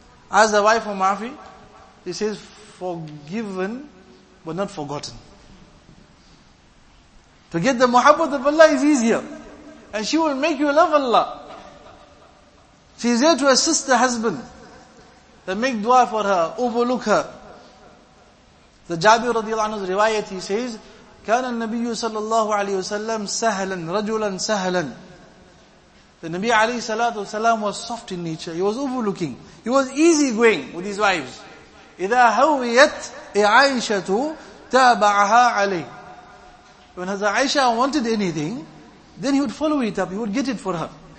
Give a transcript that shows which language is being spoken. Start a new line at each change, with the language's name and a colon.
English: Ask the wife for maafi, he says, forgiven but not forgotten. To get the muhabbat of Allah is easier. And she will make you love Allah. She is there to assist the husband. They make dua for her, overlook her.
Arabic: The Jabir radiallahu anhu's riwayat,
English: he says,
Arabic: كَانَ النَّبِيُّ صَلَّى اللَّهُ عَلَيْهِ وَسَلَّمْ سَهْلًا رَجُلًا سَهْلًا.
English: The Nabi alayhi salatu wasalam was soft in nature. He was overlooking. He was easy going with his wives.
Arabic: إِذَا هَوِيَتْ إِعَيْشَةُ تَابَعَهَا عَلَيْهِ.
English: When Hazrat Aisha wanted anything, then he would follow it up. He would get it for her.